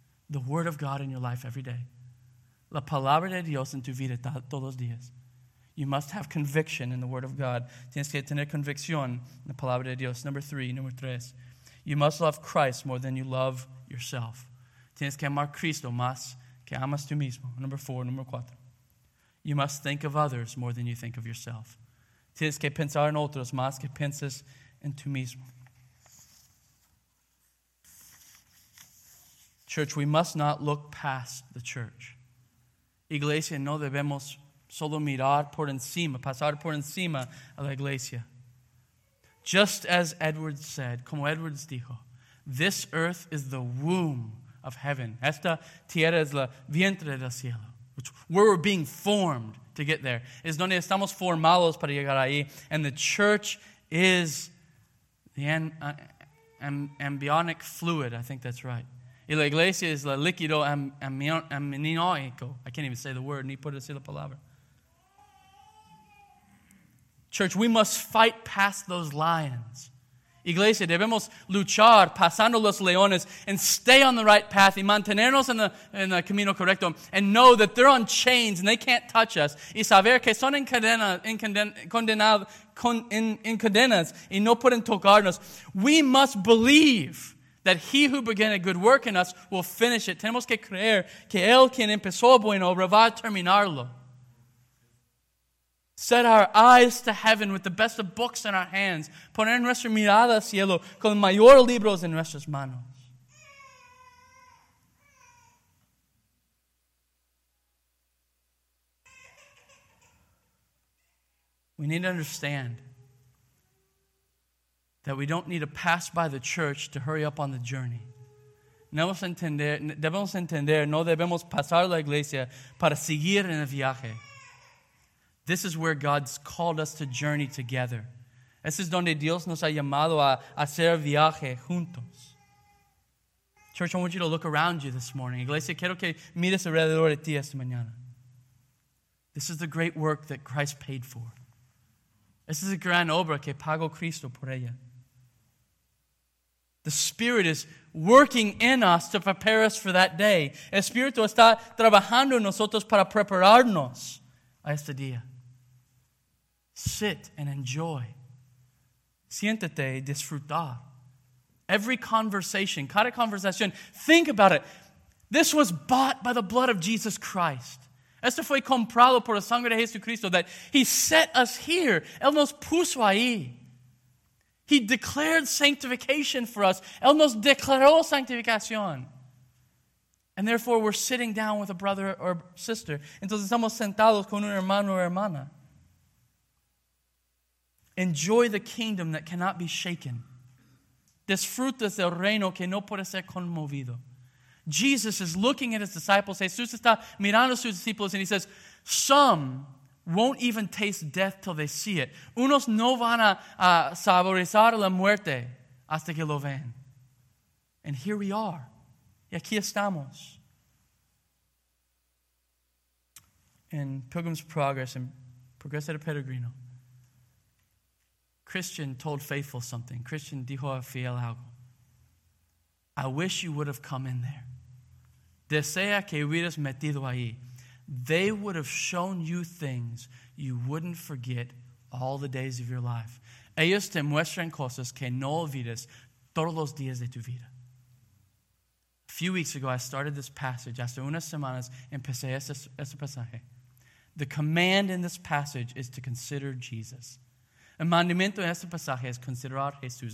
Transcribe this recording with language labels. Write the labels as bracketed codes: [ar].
[en] The Word of God in your life every day. [es] La palabra de Dios en tu vida todos los días. [en] You must have conviction in the Word of God. [es] Tienes que tener convicción en la palabra de Dios. Número tres. [en] You must love Christ more than you love yourself. [es] Tienes que amar Cristo más que amas tú mismo. Número cuatro. [en] You must think of others more than you think of yourself. [es] Tienes que pensar en otros más que piensas en tú mismo. [en] Church, we must not look past the church. [es] Iglesia, no debemos solo mirar por encima, pasar por encima a la iglesia. [en] Just as Edwards said, [es] como Edwards dijo, [en] this earth is the womb of heaven. [es] Esta tierra es la vientre del cielo. [en] Which we're being formed to get there. [es] Es donde estamos formados para llegar ahí. [en] And the church is the amniotic fluid. I think that's right. [es] Y la iglesia es la líquido amniótico. [en] I can't even say the word. [es] Ni puedo decir la palabra. [en] Church, we must fight past those lions. [es] Iglesia, debemos luchar pasando los leones [en] and stay on the right path [es] y mantenernos en el camino correcto [en] and know that they're on chains and they can't touch us [es] y saber que son en cadenas y no pueden tocarnos. [en] We must believe that he who began a good work in us will finish it. [es] Tenemos que creer que él quien empezó bueno va a terminarlo. [en] Set our eyes to heaven with the best of books in our hands. [es] Poner nuestra mirada al cielo con los mayores libros en nuestras manos. [en] We need to understand that we don't need to pass by the church to hurry up on the journey. [es] Debemos entender, no debemos pasar la iglesia para seguir en el viaje. [en] This is where God's called us to journey together. [es] Este es donde Dios nos ha llamado a hacer viaje juntos. [en] Church, I want you to look around you this morning. [es] Iglesia, quiero que mires alrededor de ti esta mañana. [en] This is the great work that Christ paid for. [es] Esta es la gran obra que pagó Cristo por ella. [en] The Spirit is working in us to prepare us for that day. [es] El Espíritu está trabajando en nosotros para prepararnos a este día. [en] Sit and enjoy. [es] Siéntate y disfruta. [en] Every conversation, [es] cada conversación, [en] think about it. This was bought by the blood of Jesus Christ. [es] Esto fue comprado por la sangre de Jesucristo, [en] that he set us here. [es] Él nos puso ahí. [en] He declared sanctification for us. [es] Él nos declaró sanctificación. [en] And therefore, we're sitting down with a brother or sister. [es] Entonces, estamos sentados con un hermano o hermana. [en] Enjoy the kingdom that cannot be shaken. [es] Disfrutas del reino que no puede ser conmovido. [en] Jesus is looking at his disciples. [es] Jesús está mirando a sus discípulos [en] and he says, some won't even taste death till they see it. [es] Unos no van a saborizar la muerte hasta que lo ven. [en] And here we are. [es] Y aquí estamos. [en] In Pilgrim's Progress, in Progreso de Peregrino, Christian told Faithful something. [es] Christian dijo a Fiel algo. [en] I wish you would have come in there. [es] Desea que hubieras metido ahí. [en] They would have shown you things you wouldn't forget all the days of your life. [es] Ellos te muestran cosas que no olvides todos los días de tu vida. [en] A few weeks ago, I started this passage. [es] Hace unas semanas, empecé este pasaje. [en] The command in this passage is to consider Jesus. [es] El mandamiento en este pasaje es considerar Jesús.